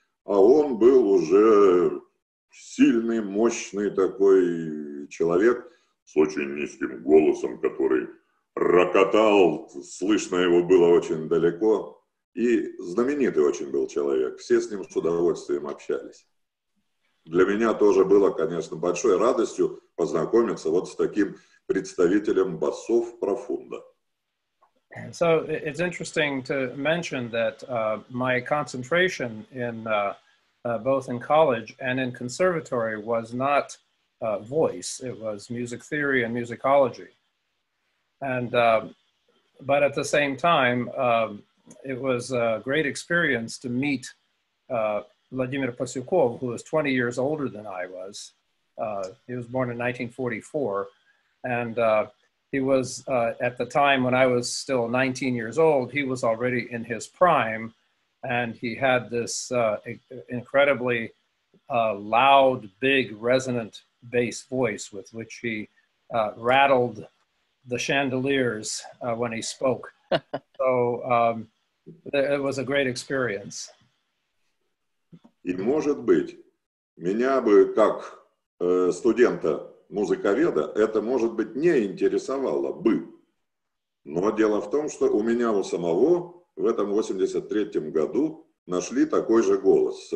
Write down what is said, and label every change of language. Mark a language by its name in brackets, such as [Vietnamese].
[Russian] А он был уже сильный, мощный такой человек с очень низким голосом, который рокотал, слышно его было очень далеко, и знаменитый очень был человек. Все с ним с удовольствием общались. Для меня тоже было, конечно, большой радостью познакомиться вот с таким представителем басов профунда. [English] So it's interesting to mention that my concentration in both in college and in conservatory was not voice, it was music theory and musicology. And, but at the same time, it was a great experience to meet Vladimir Pasyukov, who was 20 years older than I was. He was born in 1944. And He was, at the time when I was still 19 years old, he was already in his prime, and he had this incredibly loud, big, resonant bass voice with which he rattled the chandeliers when he spoke. So it was a great experience. [Russian] И может быть, меня бы как студента музыковеда это может быть не интересовало бы. Но дело в том, что у меня у самого в этом 83-м году нашли такой же голос.